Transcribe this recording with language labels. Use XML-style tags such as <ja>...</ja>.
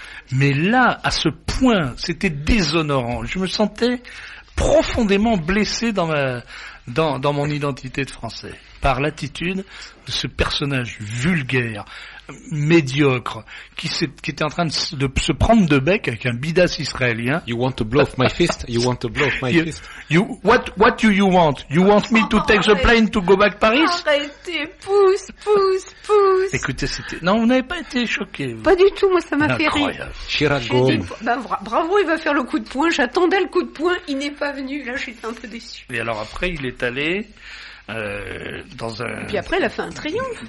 <fr>Mais là, à ce point, c'était déshonorant. Je me sentais profondément blessé dans mon identité de Français par l'attitude de ce personnage vulgaire, médiocre, qui était en train de se prendre de bec avec un bidas israélien.</fr> <en>You want to blow off my fist? You want to blow off my fist? What do you want? You want me to take the plane to go back Paris?</en> <fr>Arrêtez, pousse. Écoutez, c'était, non, vous n'avez pas été choqué. Pas du tout, moi, ça m'a fait rire. Incroyable. Chirac Gaulle. Bravo, il va faire le coup de poing. J'attendais le coup de poing. Il n'est pas venu. Là, j'étais un peu déçu. Et alors après, il est allé, dans un... Et puis après, elle a fait un triomphe.</fr>